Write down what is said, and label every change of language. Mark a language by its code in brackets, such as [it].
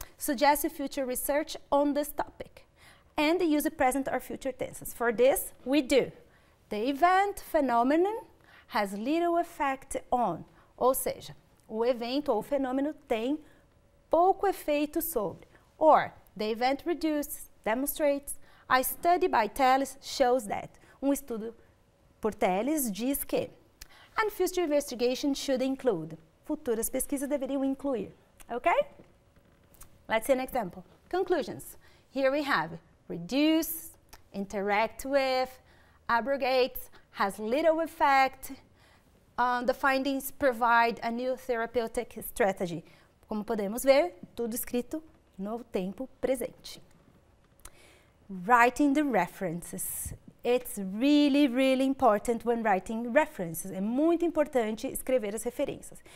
[en] Suggest future research on this topic. And use present or future tenses. For this, we do. The event, phenomenon, has little effect on. [pt] Ou seja, o evento ou o fenômeno tem pouco efeito sobre. [en] Or, the event reduces, demonstrates. A study by teles shows that. [pt] Um estudo por teles diz que. [en] And future investigation should include. [pt] Futuras pesquisas deveriam incluir. [en] Ok? Let's see an example. Conclusions. Here we have reduce, interact with, abrogates, has little effect. The findings provide a new therapeutic strategy. [pt] Como podemos ver, tudo escrito no tempo presente. [en] Writing the references. It's really, really important when writing references. [pt] É muito importante escrever as referências.